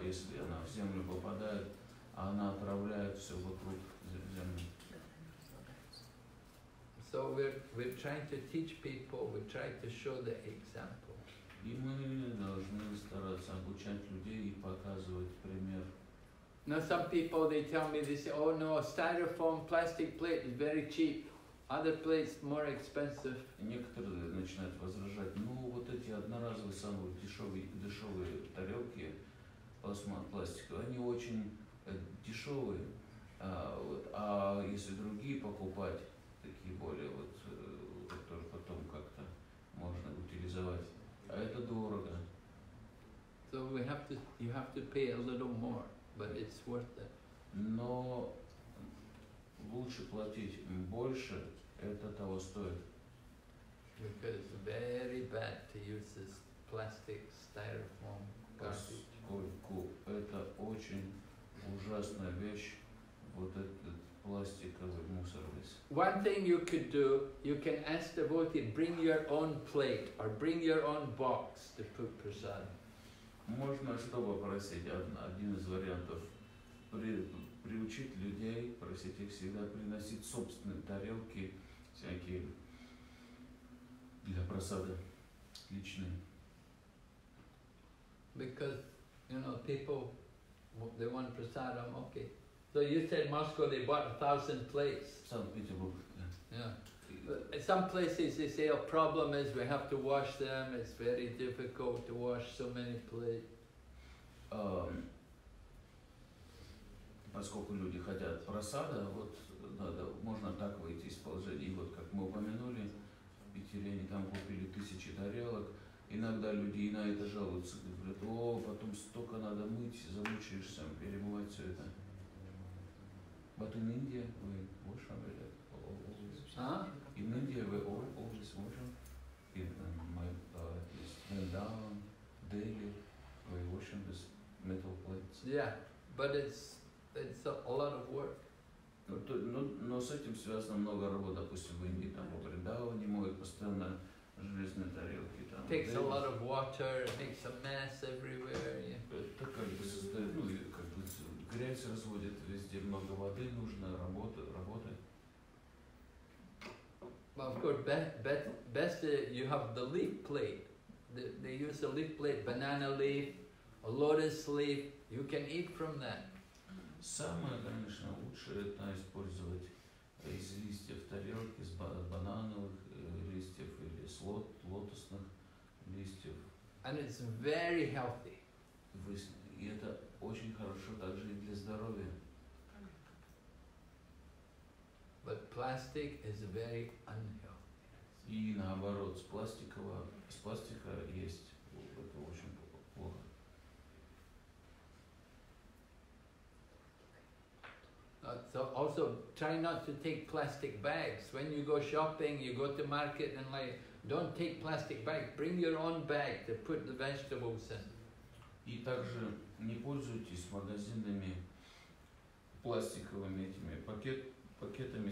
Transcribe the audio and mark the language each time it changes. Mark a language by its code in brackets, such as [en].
[ru] Если она в землю попадает, она отравляет все вокруг земли. [en] So we're trying to teach people. We try to show the example. [ru] И мы должны стараться обучать людей и показывать пример. [en] Now some people they tell me they say, oh no, styrofoam plastic plate is very cheap, other plates more expensive. [ru] И некоторые начинают возражать, ну вот эти одноразовые самые дешевые тарелки пластиковые, они очень дешевые, вот, а если другие покупать такие более вот, которые потом как-то можно утилизовать. А это дорого. [en] So we have to, you have to pay a little more, but it's worth it. [ru] Но лучше платить больше, это того стоит. [en] Because it's very bad to use this plastic styrofoam garbage. [ru] Поскольку это очень ужасная вещь, вот этот пластиковый мусор весь. [en] One thing you could do, you can ask the devotee, bring your own plate or bring your own box to put prasad. [ru] Можно что попросить? Один из вариантов. Приучить людей, просить их всегда приносить собственные тарелки всякие для просады личные. [en] Because, you know, people, they want prasad, I'm okay. So you said Moscow, they bought 1,000 plates. Some people, yeah. Yeah. Some places they say, a problem is we have to wash them. It's very difficult to wash so many plates. [ru] Поскольку люди хотят просада, вот надо, можно так выйти из положения. И вот как мы упомянули, в Питере они там купили 1000 тарелок. Иногда люди и на это жалуются. Говорят, о, потом столько надо мыть, замучаешься, перемывать все это. [en] But in India, we wash them. In India, we always wash them. In my, daily, we wash them with metal plates. Yeah, but it's It's a lot of work. [ru] Но с этим связано много работы, допустим, в Индии, там, по Вриндаване моют постоянно железные тарелки, там. [en] Takes a lot of water, makes a mess everywhere, yeah. [ru] Это как бы создает, ну, как бы грязь разводит везде, много воды нужно, работы. [en] Well, of course, best you have the leaf plate. They use a leaf plate, banana leaf, a lotus leaf, you can eat from that. [ru] Самое, конечно, лучше это использовать из листьев тарелки, из банановых листьев или с лотосных листьев. [en] And it's very healthy. [ru] И это очень хорошо также и для здоровья. [en] But plastic is very unhealthy. [ru] И наоборот, с пластика есть, это очень плохо. [en] So also try not to take plastic bags. When you go shopping, you go to market and like, don't take plastic bags. Bring your own bag to put the vegetables in. [ru] И также не пользуйтесь магазинами пластиковыми этими пакетами.